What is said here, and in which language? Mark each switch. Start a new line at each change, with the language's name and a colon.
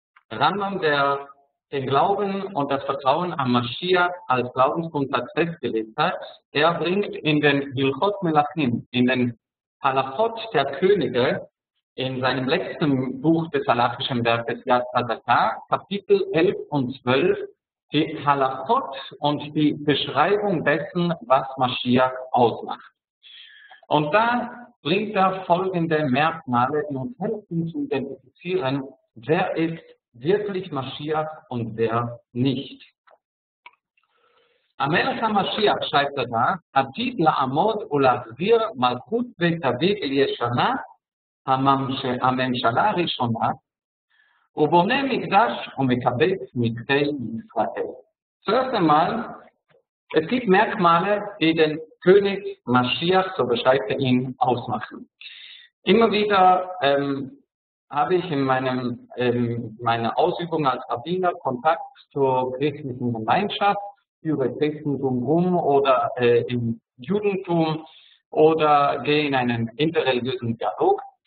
German: Rambam, der den Glauben und das Vertrauen an Maschiach als Glaubensgrundsatz festgelegt hat, er bringt in den Hilchot Melachim, in den Halachot der Könige, in seinem letzten Buch des halachischen Werkes Yad Hazaka, Kapitel 11 und 12, die Halachot und die Beschreibung dessen, was Maschiach ausmacht. Und da bringt er folgende Merkmale, die uns helfen zu identifizieren, wer ist wirklich Maschiach und wer nicht.
Hebrew: המלך המשיח שייתנה, עתיד לעמוד ולהחזיר מלכות בית אביב ישנה, הממשלה הראשונה, ובונה מקדש ומקבץ מקדי ישראל.
German: Zuerst einmal, es gibt Merkmale, die den König Maschiach, so beschreibt er ihn, ausmachen. Immer wieder habe ich in meiner Ausübung als Rabbiner Kontakt zur christlichen Gemeinschaft, führe Christentum rum oder im Judentum oder gehe in einen interreligiösen Dialog.